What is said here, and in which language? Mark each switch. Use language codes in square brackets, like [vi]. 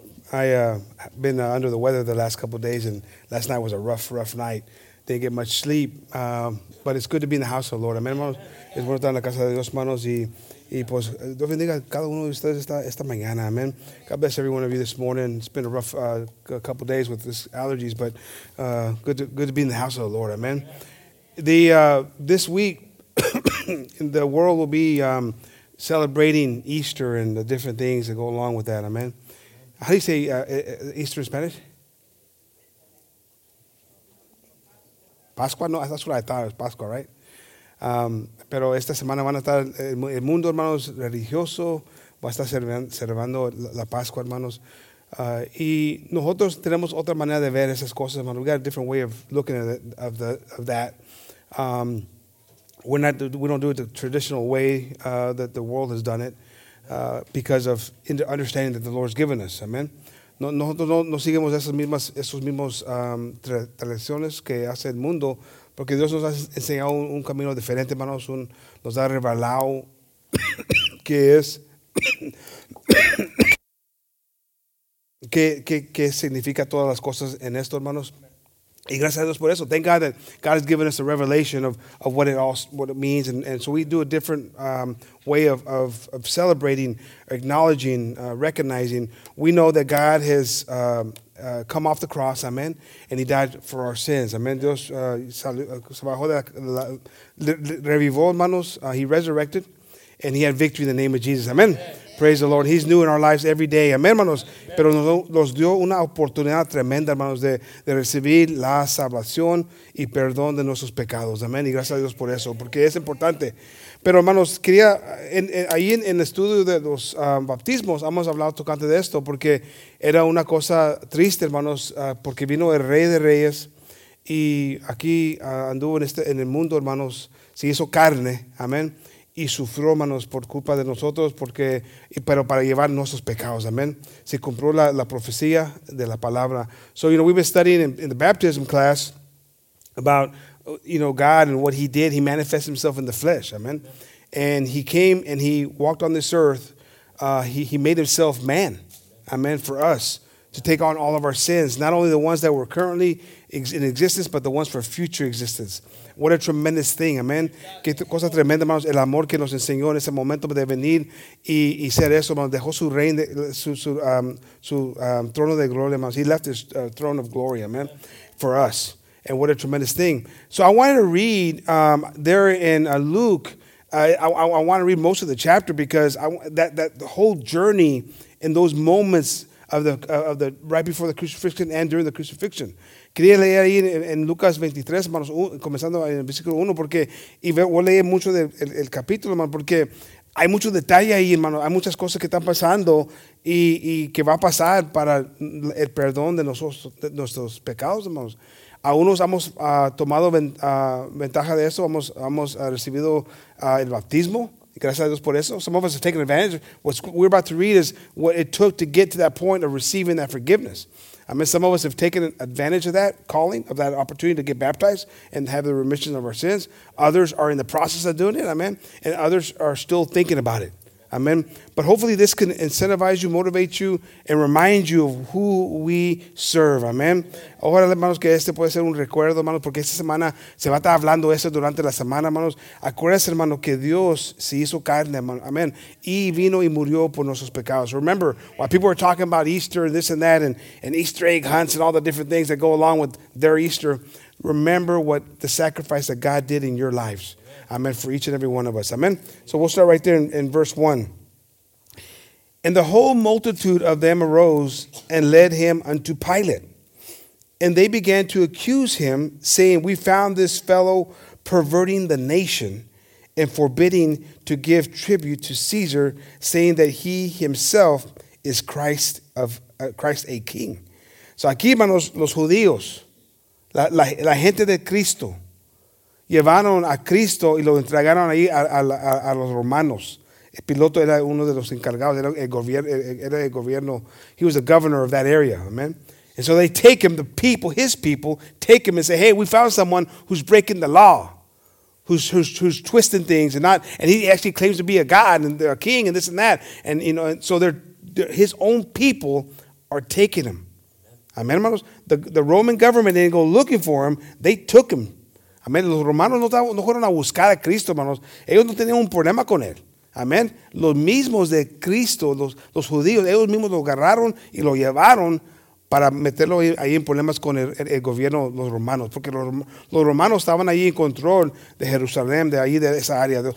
[en] I've been under the weather the last couple of days, and last night was a rough, rough night. Didn't get much sleep, but it's good to be in the house of the Lord. [es] Amen, hermanos. Es bueno estar en la casa de Dios, hermanos. Y pues, Dios bendiga cada uno de ustedes esta mañana. [en] Amen. God bless every one of you this morning. It's been a rough couple of days with this allergies, but good to be in the house of the Lord. Amen. This week, the world will be celebrating Easter and the different things that go along with that. Amen. How do you say Easter in Spanish? Pascua? No, that's what I thought. It was Pascua, right? [es] Pero esta semana van a estar, el mundo, hermanos, religioso, va a estar celebrando la Pascua, hermanos. Y nosotros tenemos otra manera de ver esas cosas, hermanos. [en] We got a different way of looking at it, of that. We don't do it the traditional way that the world has done it. Because of the understanding that the Lord's given us, amen. [es] No seguimos esos mismos tradiciones que hace el mundo, porque Dios nos ha enseñado un camino diferente, hermanos. Nos ha revelado que es que significa todas las cosas en esto, hermanos. Y gracias a Dios por eso. [en] Thank God that God has given us a revelation of what it means, and so we do a different way of celebrating, acknowledging, recognizing. We know that God has come off the cross, amen, and He died for our sins, amen. [es] Dios se bajó de la revivó, hermanos. [en] He resurrected, and He had victory in the name of Jesus, amen. Praise the Lord. He's new in our lives every day. Amen, hermanos. [es] Pero nos dio una oportunidad tremenda, hermanos, de recibir la salvación y perdón de nuestros pecados. Amen. Y gracias a Dios por eso, porque es importante. Pero, hermanos, quería, ahí en el estudio de los bautismos, hemos hablado tocante de esto, porque era una cosa triste, hermanos, porque vino el Rey de Reyes y aquí anduvo en el mundo, hermanos, se hizo carne. Amen. Y sufrió, hermanos, por culpa de nosotros, pero para llevar nuestros pecados, amén. Se cumplió la profecía de la palabra. [en] So, you know, we've been studying in the baptism class about, you know, God and what he did. He manifested himself in the flesh, amén. And he came and he walked on this earth. He made himself man, amén, for us to take on all of our sins, not only the ones that were currently in existence, but the ones for future existence. What a tremendous thing, amen. [es] Qué cosa tremenda, hermanos, el amor que nos enseñó en ese momento de venir y ser eso, hermanos. Dejó su reino, su trono de gloria, hermanos. [en] He left his throne of glory, amen, for us. And what a tremendous thing. So I wanted to read there in Luke. I want to read most of the chapter because that the whole journey in those moments of the right before the crucifixion and during the crucifixion. [es] Quería leer ahí en Lucas 23, hermanos, comenzando en el versículo 1, porque voy a leer mucho del capítulo, hermano, porque hay mucho detalle ahí, hermano. Hay muchas cosas que están pasando y que va a pasar para el perdón de nuestros pecados, hermanos. A unos hemos tomado ventaja de eso, hemos recibido el bautismo. Gracias a Dios por eso. [en] Some of us have taken advantage. What we're about to read is what it took to get to that point of receiving that forgiveness. I mean, some of us have taken advantage of that calling, of that opportunity to get baptized and have the remission of our sins. Others are in the process of doing it, amen. And others are still thinking about it. Amen. But hopefully this can incentivize you, motivate you, and remind you of who we serve. Amen. [es] Ojalá, hermanos, que este puede ser un recuerdo, hermanos, porque esta semana se va a estar hablando eso durante la semana, hermanos. Acuérdense, hermano, que Dios se hizo carne, hermano. Amen. Y vino y murió por nuestros pecados. [en] Remember, while people are talking about Easter and this and that, and Easter egg hunts and all the different things that go along with their Easter, remember what the sacrifice that God did in your lives. Amen, for each and every one of us. Amen. So we'll start right there in verse 1. And the whole multitude of them arose and led him unto Pilate. And they began to accuse him, saying, we found this fellow perverting the nation and forbidding to give tribute to Caesar, saying that he himself is Christ of Christ a king. [es] So aquí van los judíos, la gente de Cristo. Llevaron a Cristo y lo entregaron ahí a los romanos. El piloto era uno de los encargados, era el gobierno. [en] He was the governor of that area, amen. And so they take him, his people, take him and say, hey, we found someone who's breaking the law, who's twisting things and he actually claims to be a god and they're a king and this and that. And you know, and so they're his own people are taking him. Amen, hermanos. The Roman government didn't go looking for him, they took him. [es] Amén. Los romanos no fueron a buscar a Cristo, hermanos. Ellos no tenían un problema con él. Amén. Los mismos de Cristo, los judíos, ellos mismos lo agarraron y lo llevaron para meterlo ahí en problemas con el gobierno, los romanos. Porque los romanos estaban ahí en control de Jerusalén, de ahí, de esa área.